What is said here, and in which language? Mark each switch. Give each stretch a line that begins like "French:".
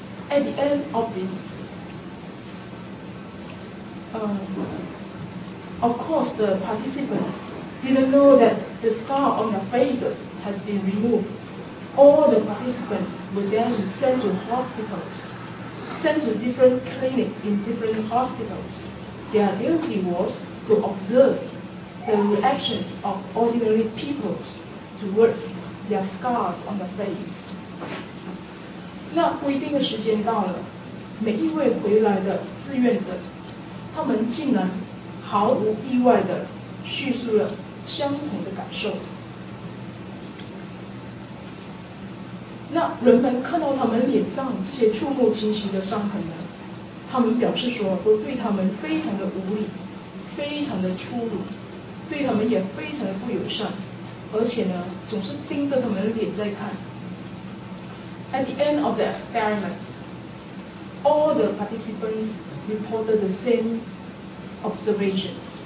English: At the end of the of course, the participants didn't know that the scar on their faces has been removed. All the participants were then sent to hospitals. sent to different clinics in different hospitals. Their duty was to observe the reactions of ordinary people towards their scars on the face.
Chinese: 那规定的时间到了，每一位回来的志愿者，他们竟然毫无意外地叙述了相同的感受。那人们看到他们脸上这些触目惊心的伤痕呢，他们表示说都对他们非常的无礼，非常的粗鲁，对他们也非常的不友善，而且呢总是盯着他们的脸在看。
English: At the end of the experiments, all the participants reported the same observations.